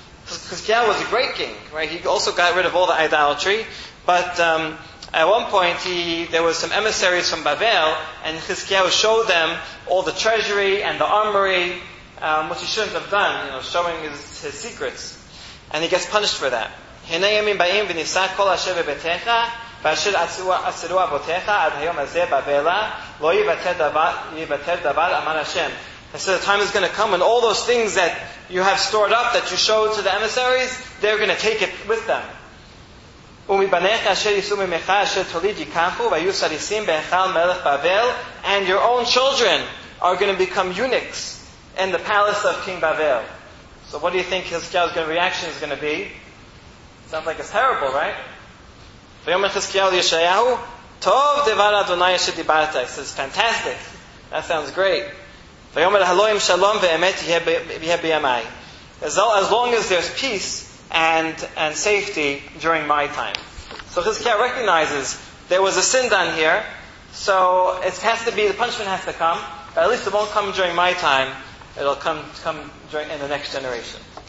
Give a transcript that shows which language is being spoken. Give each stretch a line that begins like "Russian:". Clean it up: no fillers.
English: Chizkiyahu was a great king, right? He also got rid of all the idolatry. But at one point, there was some emissaries from Babel, and Chizkiyahu showed them all the treasury and the armory, which he shouldn't have done, you know, showing his secrets. And he gets punished for that.
Hebrew: Hinei yamin ba'im v'nisa kol asher v'betecha, ואשר עשרו אבותיך עד היום הזה בבלה לא יבטל דבר אמר השם.
English: And so the time is going to come when all those things that you have stored up that you showed to the emissaries, they're going to take it with them.
Hebrew: ומבניך אשר יישאו ממך אשר תוליד ייקחו והיו סריסים בהיכל מלך בבל.
English: And your own children are going to become eunuchs in the palace of King Babel. So what do you think Hezekiah's reaction is going to be? Sounds like it's terrible, right?
Hebrew: ויאמר חזקיהו לישעיהו, טוב דבר אדוני אשר דיברת.
English: He says, fantastic. That sounds great.
Hebrew: ויאמר, הלוא אם שלום ואמת יהיה בימי.
English: As long as there's peace and safety during my time. So Chizkiah recognizes there was a sin done here, so it has to be, the punishment has to come, but at least it won't come during my time, it'll come during, in the next generation.